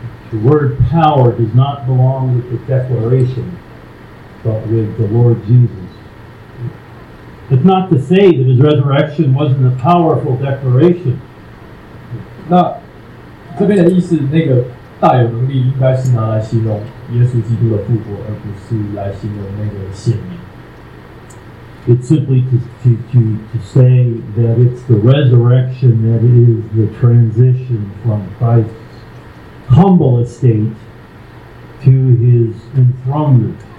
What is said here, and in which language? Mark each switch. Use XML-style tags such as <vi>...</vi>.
<en>The word power does not belong with the declaration, but with the Lord Jesus. It's not to say that his resurrection wasn't a powerful declaration.</en> <zh>那这边的意思，那个大有能力应该是拿来形容耶稣基督的复活，而不是来形容那个显明。</zh> <en>It's simply to say that it's the resurrection that is the transition from Christ's humble estate to his enthronement.</en>